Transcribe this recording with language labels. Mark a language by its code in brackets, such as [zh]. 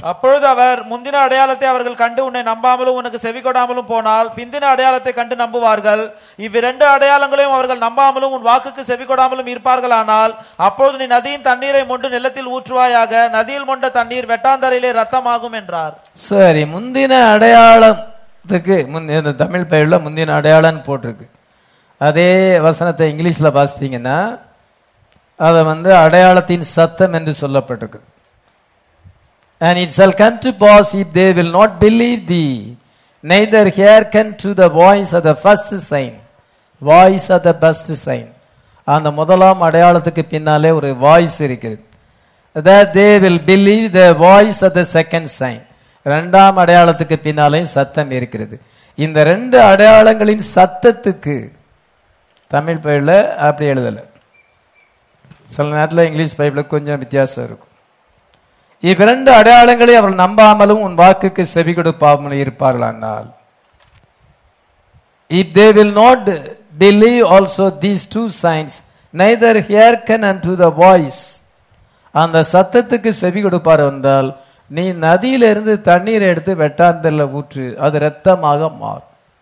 [ta] அப்பொழுது அவர், முந்தின அடையாளத்தை அவர்கள் கண்டு உன்னை நம்பாமலும் உனக்கு செவி கொடாமலும் போனால், பிந்தின அடையாளத்தை கண்டு நம்புவார்கள், இவ்விரண்டு அடையாளங்களையும் அவர்கள் நம்பாமலும் உன் வாக்குக்கு செவி கொடாமலும் இருப்பார்கள், ஆனால் அப்பொழுது நீ நதியின் தண்ணீரை மொண்டு நிலத்தில் ஊற்றுவாயாக, நதியில் மொண்ட தண்ணீர் வெட்டாந்தரையிலே ரத்தமாகும் என்றார். சரி, முந்தின அடையாளத்துக்கு தமிழ் பெயர்ல முந்தின அடையாளம் போட்டிருக்கு. அதே வசனத்தை இங்கிலீஷ்ல வாசித்தீங்கன்னா அதை வந்து அடையாளத்தின் சத்தம் என்று சொல்லப்பட்டிருக்கு. [en] And it shall come to pass if they will not believe thee, neither hearken to the voice of the first sign. Voice of the first sign. [ta] அந்த முதலாம் அடையாளத்துக்கு பின்னாலே ஒரு வாய்ஸ் இருக்கிறது. [en] That they will believe the voice of the second sign. [ta] ரெண்டாம் அடையாளத்துக்கு பின்னாலேயும் சத்தம் இருக்கிறது. இந்த ரெண்டு அடையாளங்களின் சத்தத்துக்கு தமிழ் பெயர்ல அப்படி எழுதலை. சில நேரத்தில் இங்கிலீஷ் பைபிள் கொஞ்சம் வித்தியாசம் இருக்கும். இவ்விரண்டு அடையாளங்களை அவர்கள் நம்பாமலும் உன் வாக்குக்கு செவி கொடுப்பாமலும் இருப்பார்களானால், [en] if they will not believe also these two signs, neither hearken and to the voice, [ta] அந்த சத்தத்துக்கு செவி கொடுப்பார் என்றால், நீ நதியிலிருந்து தண்ணீர் எடுத்து வெட்டாந்தல்ல ஊற்று, அது ரத்தமாக மாறும்.